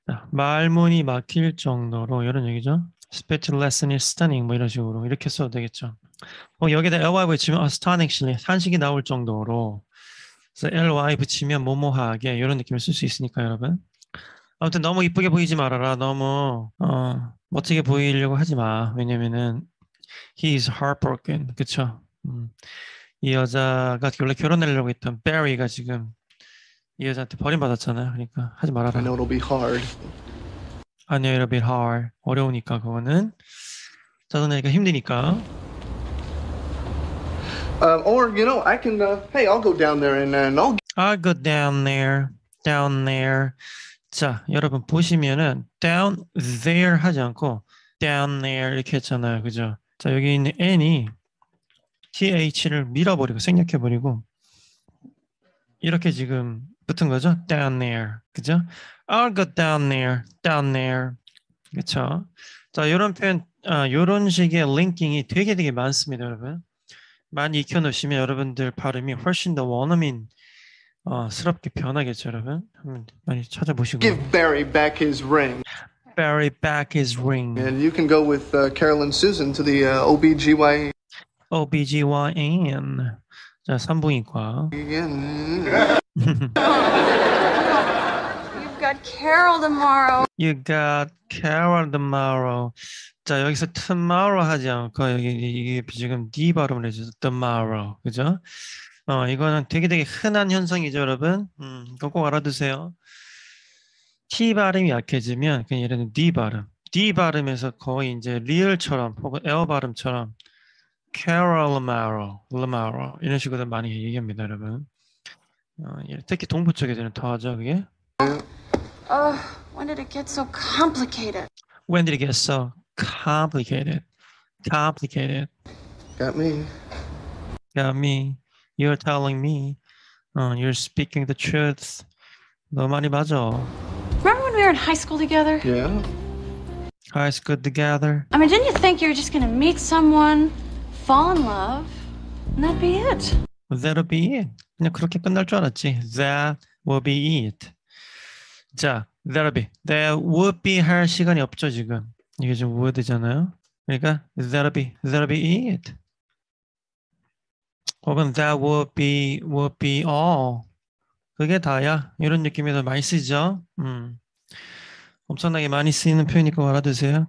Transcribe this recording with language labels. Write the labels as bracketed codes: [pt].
[ko] 말문이 막힐 정도로 이런 얘기죠. [en] Speechless and stunning [ko] 뭐 이런 식으로 이렇게 써도 되겠죠. 뭐 여기다 ly 붙이면 astonishingly 한식이 나올 정도로. 그래서 ly 붙이면 모모하게 이런 느낌을 쓸수 있으니까 여러분. 아무튼 너무 이쁘게 보이지 말아라. 너무 멋지게 보이려고 하지 마. 왜냐면은 [en] he is heartbroken. [ko] 그쵸? 이 여자가 원래 결혼하려고 했던 베리가 지금 이 여자한테 버림받았잖아요. 그러니까 하지 [en] I [ko] 말아라. [en] know it'll be hard. I know it'll be hard. [ko] 어려우니까 그거는 짜증내니까 힘드니까. [en] Or you know, I can. Hey, I'll go down there and I'll. I go down there, down there. [ko] 자, 여러분 보시면은 [en] down there [ko] 하지 않고 down there 이렇게 했잖아요, 그죠? 자, 여기 있는 n이 th를 밀어버리고 생략해버리고 이렇게 지금 붙은 거죠? [en] down there, 그죠? I'll go down there, down there, 그렇죠? [ko] 자, 이런 표현, 이런 식의 linking이 되게 되게 많습니다, 여러분. 많이 익혀놓으시면 여러분들 발음이 훨씬 더 원어민스럽게 변하겠죠, 여러분. 한번 많이 [en] Give [ko] 찾아보시고. [en] Barry back his ring. Barry back his ring. And you can go with Carolyn Susan to the OBGYN. [ko] OBGYN. 자, 산부인과. [en] You've got Carol tomorrow. You got Carol tomorrow. [ko] 자, 여기서 tomorrow 하지 않고 여기 지금 D 발음을 해줘서 tomorrow, 그죠? 이거는 되게 되게 흔한 현상이죠, 여러분. 이거 꼭 알아두세요. T 발음이 약해지면 그냥 얘는 D 발음. D 발음에서 거의 이제 리얼처럼 혹은 L 발음처럼 Carol tomorrow, tomorrow 이런 식으로 많이 얘기합니다, 여러분. 특히 동부 쪽에서는 더 하죠, 그게. [en] When did it get so complicated? When did it get so complicated? Complicated. Got me. Got me. You're telling me. You're speaking the truth. [ko] 너 많이 맞아. [en] Remember when we were in high school together? Yeah. High school together. I mean, didn't you think you were just gonna meet someone, fall in love, and that'd be it? That'll be it. [ko] 그냥 그렇게 끝날 줄 알았지. [en] That will be it. 자, that'll be. That would be [ko] 할 시간이 없죠, 지금. 이게 지금 would잖아요. 그러니까 [en] that'll be it. [ko] 혹은 [en] that would be all. [ko] 그게 다야. 이런 느낌에도 많이 쓰죠. 엄청나게 많이 쓰이는 표현이니까 알아두세요.